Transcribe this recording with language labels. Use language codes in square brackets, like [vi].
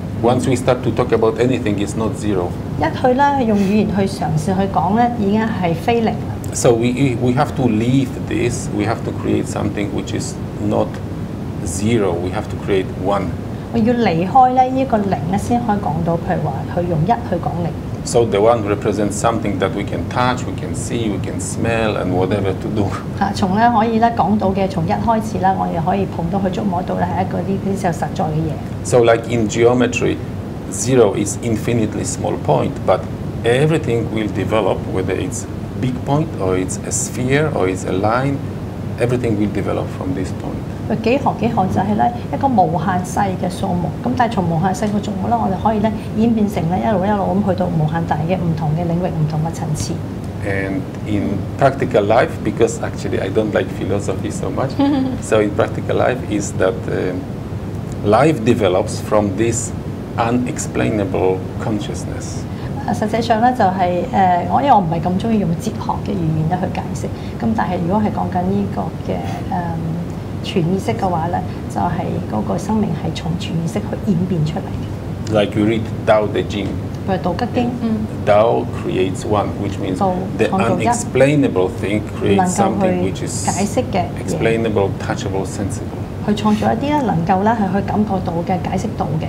[en] ？Once we start to talk about anything, it's not zero. [yue] 一去咧用語言去嘗試去講咧，已經係非零。 [en] So we have to leave this. We have to create something which is not zero. We have to create one. [yue] 我要離開咧依個零咧，先可以講到，譬如話去用一去講零。 [en] So the one represents something that we can touch, we can see, we can smell, and whatever to do. [yue] 嚇，從咧可以咧講到嘅，從一開始咧，我哋可以碰到去觸摸到咧，係一個呢啲實在嘅嘢。 [en] So like in geometry, zero is infinitely small point, but everything will develop whether it's big point, or it's a sphere, or it's a line. Everything will develop from this point. [yue] 幾何幾何就係咧一個無限細嘅數目。咁但係從無限細嘅數目咧，我哋可以咧演變成咧一路咁去到無限大嘅唔同嘅領域、唔同嘅層次。 [en] And in practical life, because actually I don't like philosophy so much, so in practical life is that life develops from this unexplainable consciousness. [yue] 實際上咧就係我因為我唔係咁中意用哲學嘅語言去解釋，咁但係如果係講緊呢個嘅全意識嘅話咧，就係嗰個生命係從全意識去演變出嚟嘅。 [en] Like you read Tao Te Ching， [yue] 譬如道吉經。 [en] Tao creates one, which means the unexplainable thing creates something which is [yue] 解釋嘅 [en] explainable, touchable, sensible。 [yue] 佢創造一啲咧能夠咧係去感覺到嘅解釋到嘅嘢。